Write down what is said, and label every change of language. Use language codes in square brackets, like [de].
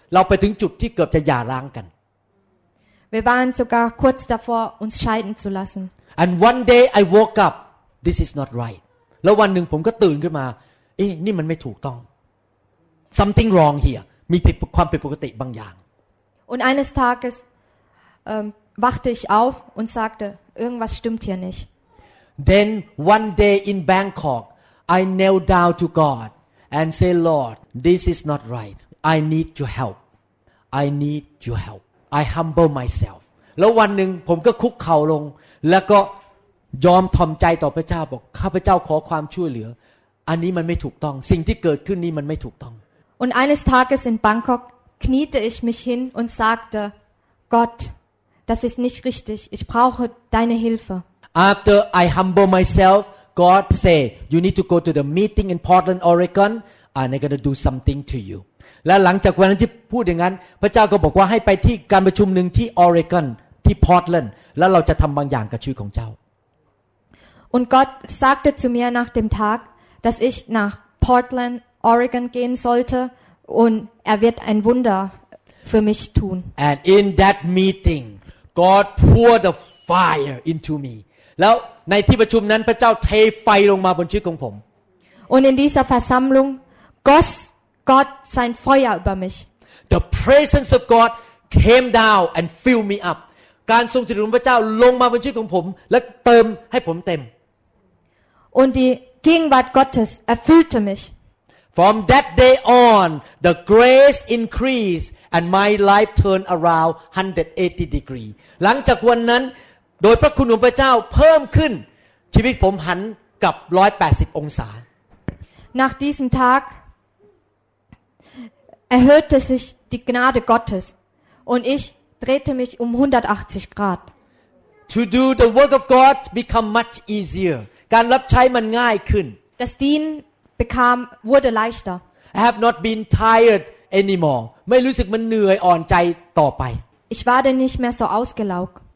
[th] เราไปถึงจุดที่เกือบจะหย่าร้างกัน [de] Wir waren sogar kurz davor uns scheiden zu lassen. [en] And one day I woke up. This is not right. [th] แล้ววันนึงผมก็ตื่นขึ้นมาเอ๊ะนี่มันไม่ถูกต้อง [en] Something wrong here. [th] มีความผิดปกติบางอย่าง [de] Und eines Tages wachte ich auf und sagte irgendwas stimmt hier nicht [en] Then one day in Bangkok I knelt down to God and say Lord this is not right I need your help I need your help I humble myself [th] แล้ววันหนึ่งผมก็คุกเข่าลงแล้วก็ยอมถ่อมใจต่อพระเจ้าบอกข้าพเจ้าขอความช่วยเหลืออันนี้มันไม่ถูกต้อง [en] สิ่งที่เกิดขึ้นนี้มันไม่ถูกต้อง [de] Und eines Tages in Bangkok kniete ich mich hin und sagte, Gott, das ist nicht richtig. Ich brauche deine Hilfe. [en] After I humble myself, God say, you need to go to the meeting in Portland, Oregon, and I'm going to do something to you. [th] และหลังจากวันที่พูดอย่างนั้นพระเจ้าก็บอกว่าให้ไปที่การประชุมหนึ่งที่ Oregon, ที่ Portland, แล้วเราจะทำบางอย่างกับชีวิตของเจ้า [de] Und Gott sagte zu mir nach dem Tag, dass ich nach Portland, Oregon gehen sollte, und wird ein Wunder für mich tun. [en] And in that meeting, God poured the fire into me. [th] แล้วในที่ประชุมนั้นพระเจ้าเทไฟลงมาบนชีวิตของผม [de] Und in dieser Versammlung goss Gott sein Feuer über mich. [en] The presence of God came down and filled me up. [th] การทรงสถิตของพระเจ้าลงมาบนชีวิตของผมและเติมให้ผมเต็ม [de] Und die Gegenwart Gottes erfüllte mich. [en] From that day on, the grace increased and my life turned around 180 degrees. [th] หลังจากวันนั้นโดยพระคุณของพระเจ้าเพิ่มขึ้นชีวิตผมหันกลับ180องศา [de] Nach diesem Tag erhöhte sich die Gnade Gottes und ich drehte mich 180 Grad. [en] To do the work of God become much easier. [th] การรับใช้มันง่ายขึ้น [de] Das Dienen wurde leichter. [en] I have not been tired anymore. [th] ไม่รู้สึกมันเหนื่อยอ่อนใจต่อไป [de] Ich war denn nicht mehr so ausgelaugt.